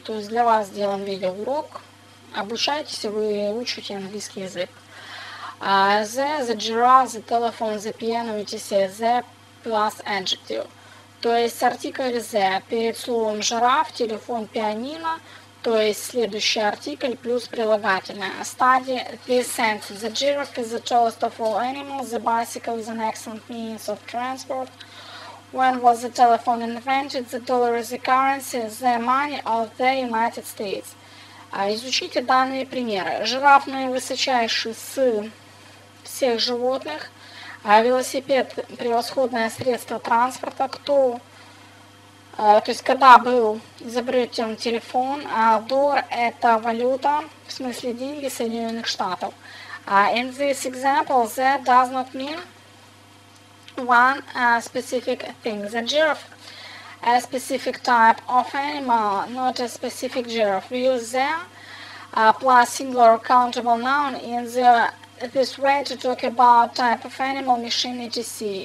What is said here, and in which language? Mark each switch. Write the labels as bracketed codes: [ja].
[ru] То есть для вас сделан видеоурок. Обучаетесь, вы учите английский язык. [en] The giraffe, the telephone, the piano, etc. The plus adjective. [ru] То есть артикль the перед словом «жираф», «телефон», «пианино». То есть следующий артикль плюс прилагательное. [en] Study this sentence. The giraffe is the tallest of all animals. The bicycle is an excellent means of transport. When was the telephone invented? The dollar is the currency, the money of the United States. [ru] Изучите данные примеры. Жираф наивысочайший с всех животных. Велосипед – превосходное средство транспорта. Кто, то есть когда был изобретен телефон? Доллар – это валюта, в смысле деньги Соединенных Штатов. [en] In this example, the does not mean one specific thing. The giraffe – a specific type of animal, not a specific giraffe. We use the plus singular countable noun in the this way to talk about type of animal, machine, etc.